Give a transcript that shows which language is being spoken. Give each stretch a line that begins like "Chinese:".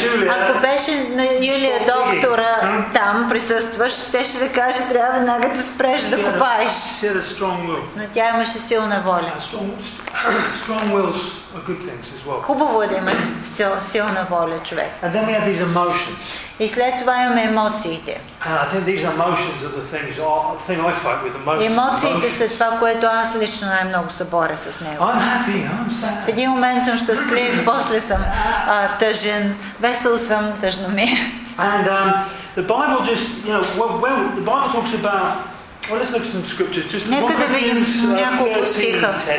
Bulgarian: Ако беше на Юлия доктора там присъстваш, щеше да каже, трябва веднага да спреш да копаеш. Но тя имаше силна воля.
English: Strong wills are good things as well.
Bulgarian: Хубаво е да имаш силна воля, човек.
English: And then we have these emotions.
Bulgarian: И след това имаме емоциите.
English: I think these emotions are the things, the thing I fight with the most.
Bulgarian: Емоциите са това, което аз лично най-много се боря с него.
English: I'm happy, I'm sad.
Bulgarian: В един момент съм щастлив, после съм тъжен, весел съм, тъжно ми.
English: And the Bible just, you know, well, the Bible talks about. Well, let's look at some scriptures. Just
Bulgarian: нека да видим няколко стиха,